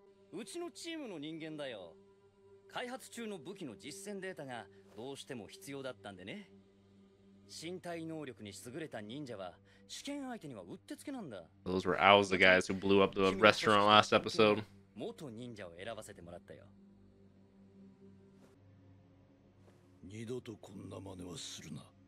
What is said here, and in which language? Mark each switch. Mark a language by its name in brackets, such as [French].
[Japanese] うちのチームの人間だよ。開発中の武器の実践データがどうしても必要だったんでね。身体能力に優れた忍者は試験相手にはうってつけなんだ。 [English] Those were owls, the guys who blew up the restaurant last episode. [Japanese] 元忍者を選ばせてもらったよ。二度とこんな真似はするな。